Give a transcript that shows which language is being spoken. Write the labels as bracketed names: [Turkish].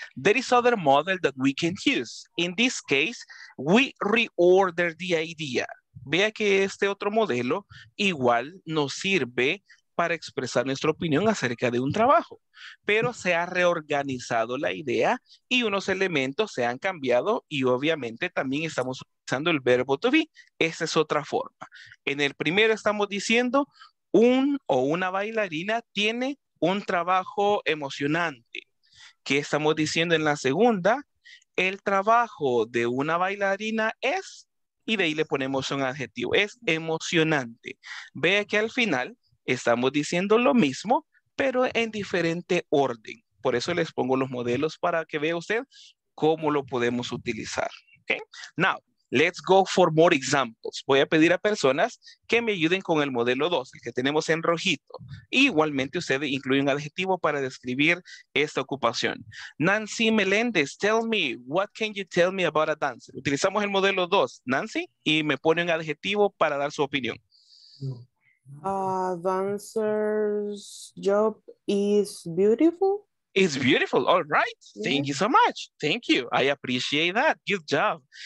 [English] There is other model that we can use. In this case, we reorder the idea. [Spanish] Vea que este otro modelo igual nos sirve para expresar nuestra opinión acerca de un trabajo, pero se ha reorganizado la idea y unos elementos se han cambiado y obviamente también estamos utilizando el verbo to be. Esa es otra forma. En el primero estamos diciendo un o una bailarina tiene un trabajo emocionante. ¿Qué estamos diciendo en la segunda? El trabajo de una bailarina es, y de ahí le ponemos un adjetivo, es emocionante. Vea que al final estamos diciendo lo mismo, pero en diferente orden. Por eso les pongo los modelos para que vea usted cómo lo podemos utilizar. ¿Okay? [English] Now, let's go for more examples. [Spanish] Voy a pedir a personas que me ayuden con el modelo 2, el que tenemos en rojito. Igualmente, usted incluye un adjetivo para describir esta ocupación. [English] Nancy Meléndez, tell me, what can you tell me about a dancer? [Spanish] Utilizamos el modelo 2, Nancy, y me pone un adjetivo para dar su opinión. [English] Dancer's job is beautiful. It's beautiful. All right. Thank you so much. Thank you. I appreciate that. Good job.